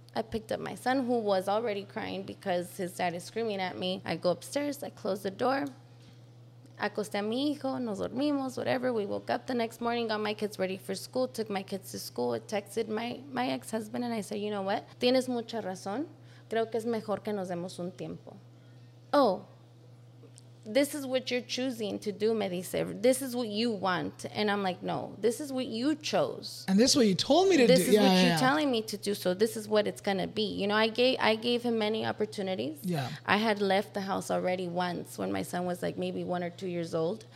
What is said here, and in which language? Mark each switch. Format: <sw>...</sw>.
<en>I picked up my son, who was already crying because his dad is screaming at me. I go upstairs. I close the door.</en> <es>Acosté a mi hijo, nos dormimos,</es> <en>whatever. We woke up the next morning, got my kids ready for school, took my kids to school, texted my ex-husband, and I said, you know what?</en> <es>Tienes mucha razón. Creo que es mejor que nos demos un tiempo.</es> <en>Oh, this is what you're choosing to do,</en> <es>me dice.</es> <en>This is what you want. And I'm like, no, this is what you chose. And this is what you told me to do. This is what you're telling me to do, so this is what it's going to be. You know, I gave him many opportunities. Yeah. I had left the house already once when my son was like maybe 1 or 2 years old.</en>